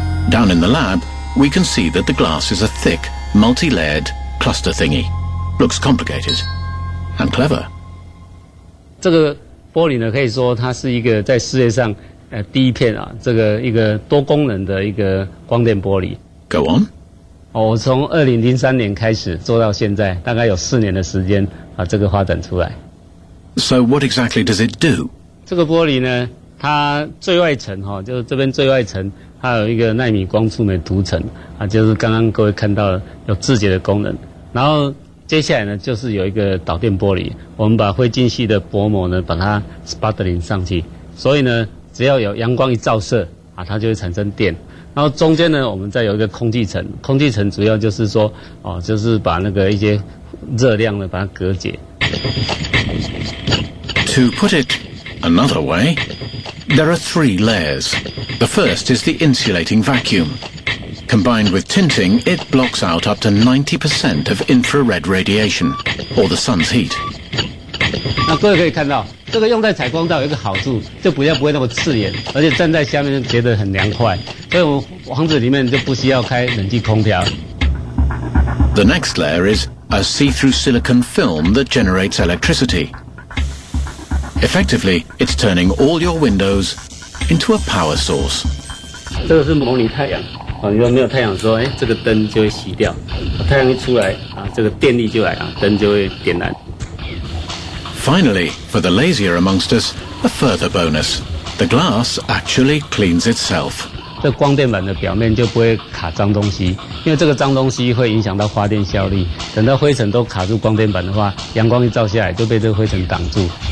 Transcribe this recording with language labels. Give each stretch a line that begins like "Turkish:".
English: Down in the lab, we can see that the glass is a thick, multi-layered cluster thingy. Looks complicated and clever. This glass, you can say, it's the first in the world, a multi-layered glass. Go on.
Chinese: 我从2003年开始做到现在，大概有四年的时间把这个发展出来。
English: So what exactly does it do?
Chinese: 这个玻璃呢，它最外层哈，就是这边最外层，它有一个纳米光触媒涂层，啊，就是刚刚各位看到有自洁的功能。然后接下来呢，就是有一个导电玻璃，我们把灰金系的薄膜呢，把它spotting上去。所以呢，只要有阳光一照射。啊，它就会产生电。然后中间呢，我们再有一个空气层，空气层主要就是说，哦，就是把那个一些热量呢，把它隔绝。
English: To put it another way, there are three layers. The first is the insulating vacuum. Combined with tinting, it blocks out up to 90% of infrared radiation, or the sun's heat.
Chinese: 那各位可以看到，这个用在采光罩有一个好处，就比较不会那么刺眼，而且站在下面觉得很凉快，所以我们房子里面就不需要开冷气空调。
English: The next layer is a see-through silicon film that generates electricity. Effectively, it's turning all your windows into a power source.
Chinese: 这个是模拟太阳，啊，如果没有太阳的时候，哎，这个灯就会熄掉。太阳一出来，啊，这个电力就来，啊，灯就会点燃。
English: Finally, for the lazier amongst us, a further bonus. The glass actually cleans itself.
Chinese: 这光电板的表面就不会卡脏东西，因为这个脏东西会影响到发电效率。等到灰尘都卡住光电板的话，阳光一照下来就被这个灰尘挡住。